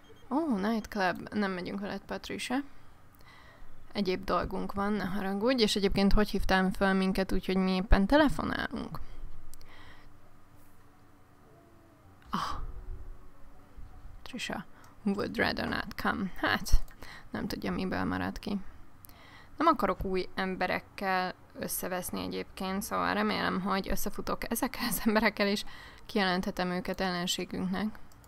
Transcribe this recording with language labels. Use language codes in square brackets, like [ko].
[hu] Ó, nightclub. Nem megyünk veled, Patricia. Egyéb dolgunk van, ne haragudj. És egyébként hogy hívtál fel minket, úgyhogy mi éppen telefonálunk? Ah. [en] Patricia would rather not come. [hu] Hát, nem tudja, miből maradt ki. Nem akarok új emberekkel összeveszni egyébként, szóval remélem, hogy összefutok ezekkel az emberekkel, és kijelenthetem őket ellenségünknek.